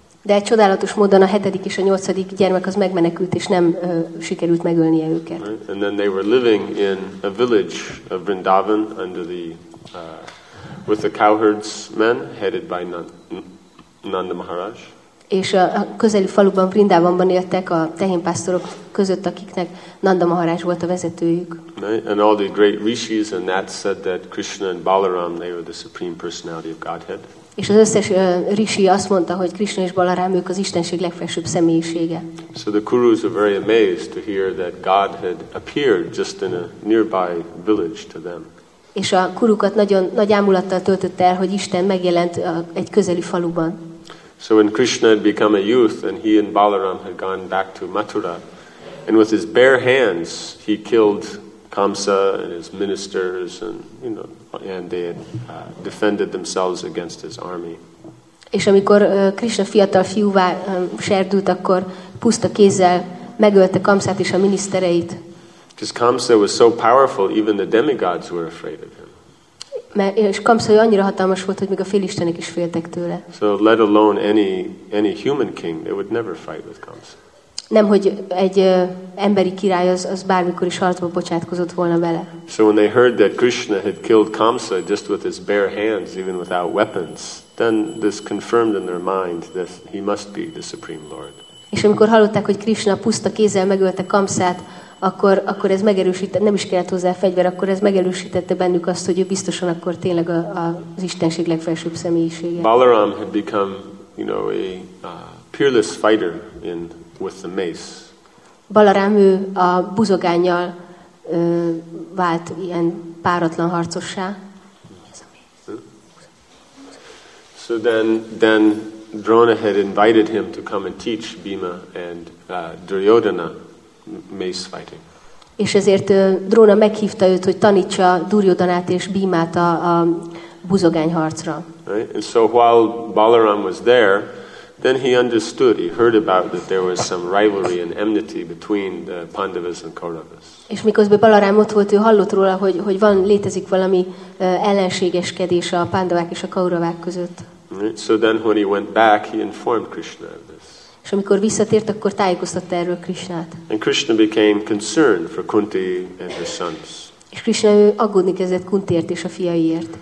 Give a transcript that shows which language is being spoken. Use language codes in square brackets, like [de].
[hu] De egy csodálatos módon a hetedik és a nyolcadik gyermek az megmenekült és nem sikerült megölnie őket. [en] Right? And then they were living in a village of Vrindavan under the with the cowherds men headed by Nanda Maharaj. [hu] És a közeli faluban Vrindavanban éltek a tehénpásztorok között, akiknek Nanda Maharaj volt a vezetőjük. [en] And all the great rishis and that said that Krishna and Balaram, they were the supreme personality of Godhead. [hu] És az összes rishi azt mondta, hogy Krishna és Balaram, ők az Istenség legfelsőbb személyisége. [en] So the Kurus were very amazed to hear that God had appeared just in a nearby village to them. [hu] És a kurukat nagyon nagy ámulattal töltött el, hogy Isten megjelent egy közeli faluban. [en] So when Krishna had become a youth and he and Balaram had gone back to Mathura, and with his bare hands he killed Kamsa and his ministers and, you know, and they had defended themselves against his army. [hu] És amikor Krishna fiatal fiúvá serdült, akkor puszta kézzel megölte Kamsát és a minisztereit. [en] Because Kamsa was so powerful, even the demigods were afraid of him. [hu] És Kamsa olyan annyira hatalmas volt, hogy még a félistenek is féltek tőle. [en] So let alone any human king, they would never fight with Kamsa. [hu] Nem, hogy egy emberi király az bármikor is harcba bocsátkozott volna vele. [en] So when they heard that Krishna had killed Kamsa just with his bare hands, even without weapons, then this confirmed in their mind that he must be the supreme lord. [hu] És amikor hallották, hogy Krishna puszta kézzel megölte Kamsát, akkor ez megerősítette, nem is kellett hozzá fegyver, akkor ez megerősítette bennük azt, hogy ő biztosan akkor tényleg az Istenség legfelsőbb személyisége. [en] Balaram had become, you know, a peerless fighter in with the mace. [hu] Balaram ő a buzogánnyal vált ilyen páratlan harcossá. [en] So then Drona had invited him to come and teach Bhima and Duryodhana mace fighting. [hu] És ezért Drona meghívta őt, hogy tanítsa Duryodhanát és Bhimát a buzogány harcra. [en] Right? And so while Balaram was there, then he understood, he heard about that there was some rivalry and enmity between the Pandavas and Kauravas. [hu] És miközben Balaram ott volt, ő hallott róla, hogy létezik valami ellenségeskedés a Pandavák és a Kauravák között. [en] Right? So then when he went back, he informed Krishna of this. [hu] És amikor visszatért, akkor tájékoztatta erről Krishnát. [en] And Krishna became concerned for Kunti and his sons. [hu] És Krishna aggódni kezdett Kuntiért és a fiaiért.